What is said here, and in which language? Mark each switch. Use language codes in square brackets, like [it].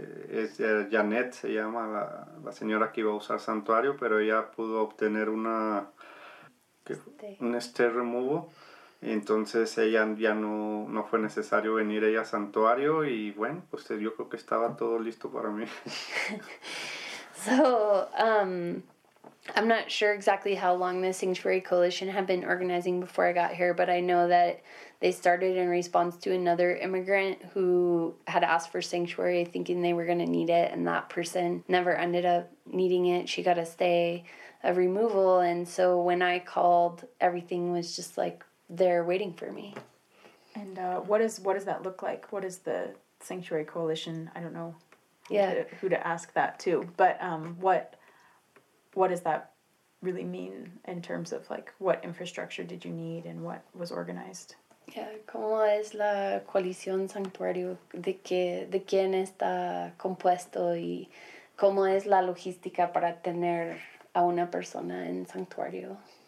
[es] es Janet se llama la señora que iba a usar santuario, pero ella pudo obtener un stay removal, entonces ella ya no fue necesario venir ella a santuario y bueno, pues yo creo que estaba todo listo para mí. [en] So, I'm not sure exactly how long the Sanctuary Coalition had been organizing before I got here, but I know that they started in response to another immigrant who had asked for sanctuary thinking they were going to need it, and that person never ended up needing it. She got a stay of removal, and so when I called, everything was just, like, there waiting for me. And what does that look like? What is the Sanctuary Coalition? I don't know. Yeah, who to ask that to, but what does that really mean in terms of, like, what infrastructure did you need and what was organized? [es] Yeah, ¿cómo es la coalición santuario? ¿De quién está compuesto y cómo es la logística para tener a una persona en santuario?